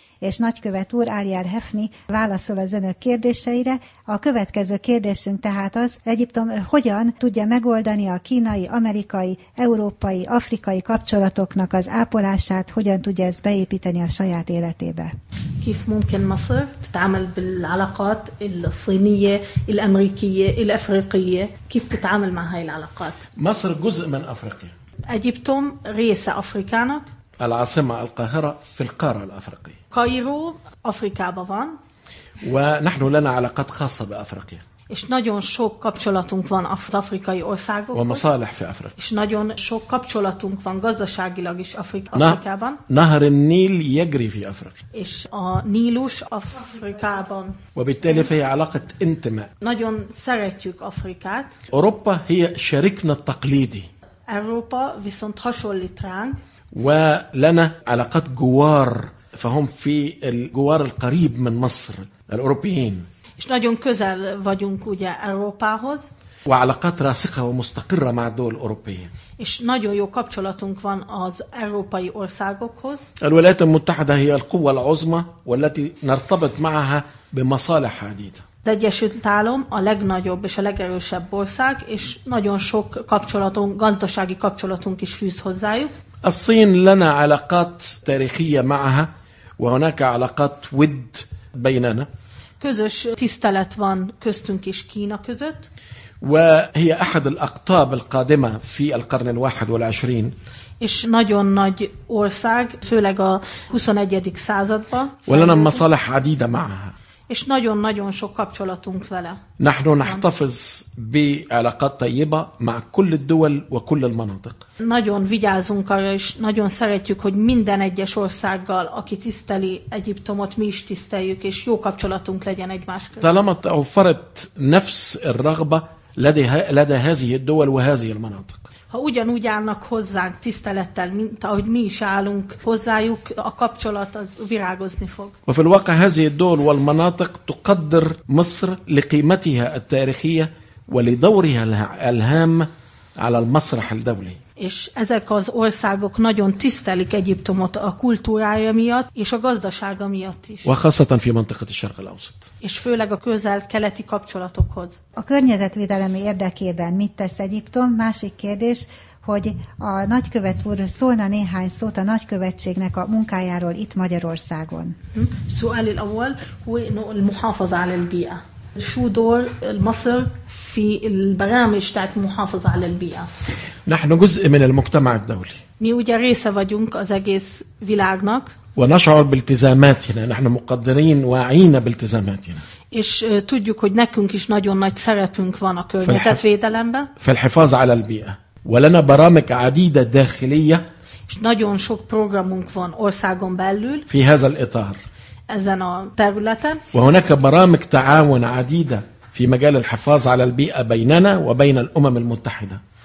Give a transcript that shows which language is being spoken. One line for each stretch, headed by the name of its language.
Hungarian: És nagykövet úr Ariel Hefni válaszol az önök kérdéseire. A következő kérdésünk tehát az, Egyiptom hogyan tudja megoldani a kínai, amerikai, európai, afrikai kapcsolatoknak az ápolását, hogyan tudja ezt beépíteni a saját életébe?
Arabic: كيف ممكن مصر تتعامل بالعلاقات الصينية الأمريكية الأفريقية كيف تتعامل مع هاي العلاقات مصر جزء من أفريقيا
Hungarian: أجيبتم رئيس أفريكانك
Arabic: العاصمة القاهرة في القارة الأفريقية
Hungarian: كايرو أفريكا بظن
Arabic: ونحن لنا علاقات خاصة بأفريقيا.
Hungarian: És nagyon sok kapcsolatunk van az afrikai országokkal.
Arabic: ومصالح في أفريقيا.
Hungarian: És nagyon sok kapcsolatunk van gazdaságilag is Afrikában.
Arabic: نهر النيل يجري في أفريقيا.
Hungarian: És a Nílus Afrikában.
Arabic: وبالتالي فهي علاقة انتماء.
Hungarian: Nagyon szeretjük Afrikát.
Arabic: أوروبا هي شريكنا التقليدي.
Hungarian: Európa viszont hasonlít ránk.
Arabic: ولنا علاقات جوار فهم في الجوار القريب من مصر الأوروبيين.
Hungarian: És nagyon közel vagyunk ugye Európához.
Arabic: وعلاقات راسخة ومستقرة مع الدول الأوروبية.
Hungarian: És nagyon jó kapcsolatunk van az európai országokhoz.
Arabic: الولايات المتحدة هي القوة العظمى والتي نرتبط معها بمصالح عديدة.
Hungarian: Az Egyesült Állam a legnagyobb és a legerősebb ország, és nagyon sok kapcsolatunk, gazdasági kapcsolatunk is fűz hozzájuk. A Szín lenne
Arabic: علاقات تاريخية معها, وهناك علاقات ود بيننا.
Hungarian: Közös tisztelet van köztünk is Kína között.
Arabic: وهي أحد الأقطاب القادمة في القرن الواحد والعشرين.
Hungarian: És nagyon nagy ország, főleg a 21. században.
Arabic: ولنا مصالح عديدة معها.
Hungarian: És nagyon-nagyon sok kapcsolatunk vele.
Arabic: نحن نحتفظ بعلاقات طيبة مع كل الدول وكل المناطق.
Hungarian: Nagyon vigyázunk arra, és nagyon szeretjük, hogy minden egyes országgal, aki tiszteli Egyiptomot, mi is tiszteljük, és jó kapcsolatunk legyen egymás között.
Arabic: طالما توفرت نفس الرغبة لدى هذه الدول وهذه المناطق.
Hungarian: Ha ugyanúgy állnak hozzánk tisztelettel, mint ahogy mi is állunk hozzájuk, a kapcsolat az virágozni fog.
Arabic: وفي الواقع هذه الدول والمناطق تقدر مصر لقيمتها التاريخية ولدورها الهام على المسرح الدولي.
Hungarian: És ezek az országok nagyon tisztelik Egyiptomot a kultúrája miatt és a gazdasága miatt is.
Arabic: وخاصة في منطقة الشرق الأوسط.
Hungarian: És főleg a közel-keleti kapcsolatokhoz. A környezetvédelem érdekében mit tesz Egyiptom? Másik kérdés, hogy a nagykövet úr szólna néhány szót a nagykövetségnek a munkájáról itt Magyarországon.
Arabic: سؤال الأول هو إنه المحافظة على البيئة. شو دور مصر في البرامج تاعت المحافظة على البيئة؟ نحن جزء من المجتمع الدولي.
Hungarian: Mi ugye része vagyunk az egész világnak.
Arabic: ونشعر بالتزاماتنا. نحن مقدرين واعين بالتزاماتنا.
Hungarian: És tudjuk, hogy nekünk is nagyon nagy szerepünk van a környezetvédelemben.
Arabic: فالحفاظ على البيئة. ولنا برامج عديدة داخلية.
Hungarian: És nagyon sok programunk van országon belül.
Arabic: في هذا الإطار.
Hungarian: Ezen a területen.
Arabic: وهناك برامج تعاون عديدة في مجال الحفاظ على البيئة بيننا وبين الأمم المتحدة.